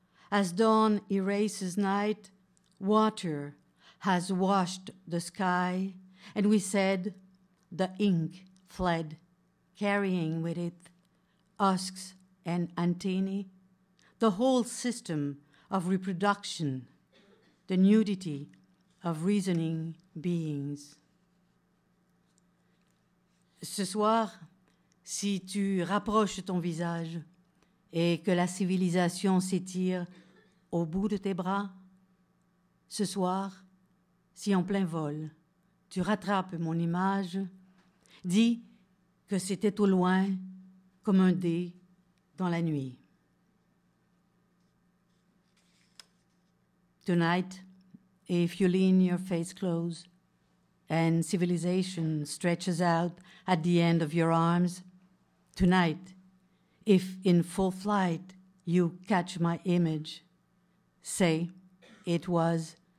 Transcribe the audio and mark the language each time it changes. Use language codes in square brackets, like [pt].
[en] As dawn erases night, water has washed the sky, and we said the ink fled, carrying with it husks and antennae, the whole system of reproduction, the nudity of reasoning beings. [fr] Ce soir, si tu rapproches ton visage et que la civilisation s'étire au bout de tes bras, ce soir, si en plein vol, tu rattrapes mon image, dis que c'était au loin comme un dé dans la nuit. [en] Tonight, if you lean your face close and civilization stretches out at the end of your arms, tonight, if in full flight you catch my image, say it was